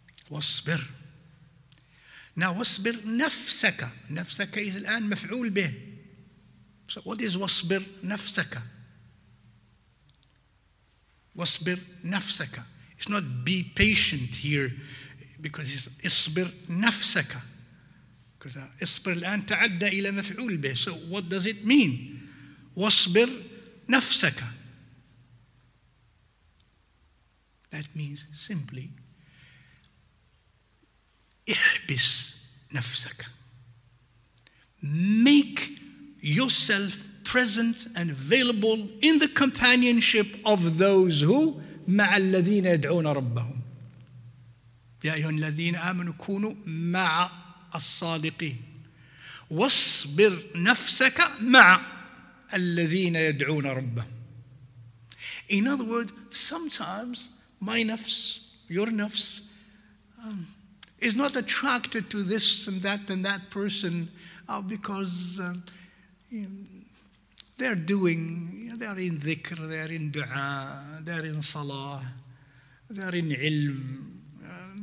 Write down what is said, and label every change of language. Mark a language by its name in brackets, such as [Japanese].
[Arabic] Wasbir. [English] Now, [Arabic] wasbir nafsaka. [English] Nafsaka is [Arabic] الآن مفعول به. [English] So what is wasbir nafsaka? [Arabic] Wasbir nafsaka. [English] It's not be patient here, because it's isbir nafsaka. Because [Arabic] isbir الآن تعدى إلى مفعول به. [English] So what does it mean? Wasbir nafsaka. That means simply [Arabic] احبس نفسك. [English] Make yourself present and available in the companionship of those who [Arabic] مع الذين يدعون ربهم. يا أيها الذين آمنوا كونوا مع الصادقين. واصبر نفسك مع الذين يدعون ربهم. [English] In other words, sometimes my nafs, your nafs, is not attracted to this and that and that person because they're doing, they're in dhikr, they're in dua, they're in salah, they're in ilm.